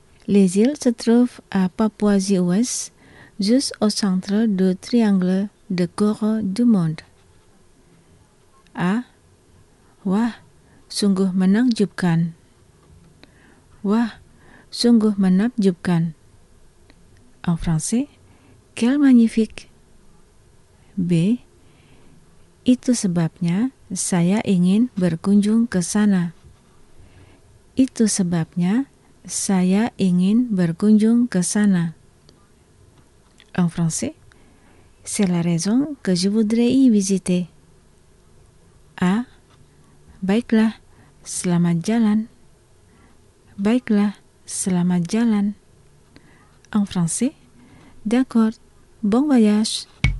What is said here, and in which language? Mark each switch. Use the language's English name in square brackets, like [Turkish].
[French] Les îles se trouvent à Papouasie-Ouest, juste au centre du triangle de Coro du Monde. A. [Indonesian] Wah, sungguh menakjubkan. Wah, sungguh menakjubkan. [French] En français, quel magnifique. B. [Indonesian] Itu sebabnya saya ingin berkunjung ke sana. Itu sebabnya saya ingin berkunjung ke sana. [French] En français, c'est la raison que je voudrais y visiter. A. [Indonesian] Baiklah, selamat jalan. Baiklah, selamat jalan. [French] En français, d'accord, bon voyage.